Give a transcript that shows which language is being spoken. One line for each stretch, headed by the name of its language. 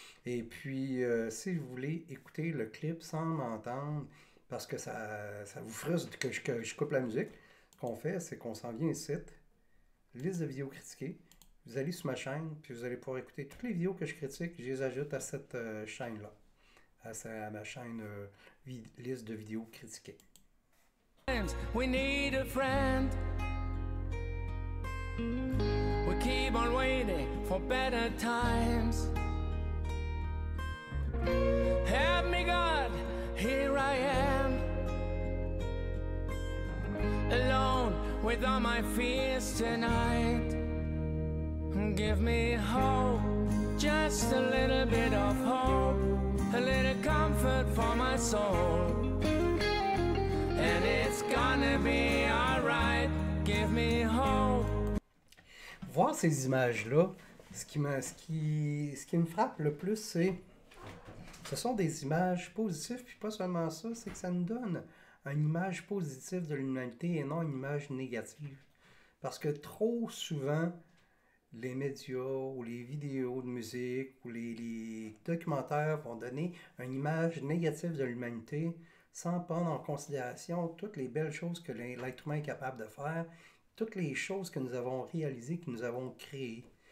French: Et puis, si vous voulez écouter le clip sans m'entendre, parce que ça vous frustre que je coupe la musique, ce qu'on fait, c'est qu'on s'en vient ici. Liste de vidéos critiquées. Vous allez sur ma chaîne, puis vous allez pouvoir écouter toutes les vidéos que je critique. Je les ajoute à cette chaîne-là. À ma chaîne Liste de vidéos critiquées.
English: We need a friend. We keep on waiting for better times. Help me God, here I am. Alone with all my fears tonight. Give me hope, just a little bit of hope, a little comfort for my soul. And it's gonna be alright. Give me hope.
French: Voir ces images-là, ce qui me frappe le plus, c'est ce sont des images positives, puis pas seulement ça, c'est que ça nous donne une image positive de l'humanité et non une image négative. Parce que trop souvent, les médias ou les vidéos de musique ou les documentaires vont donner une image négative de l'humanité sans prendre en considération toutes les belles choses que l'être humain est capable de faire, toutes les choses que nous avons réalisées, que nous avons créées.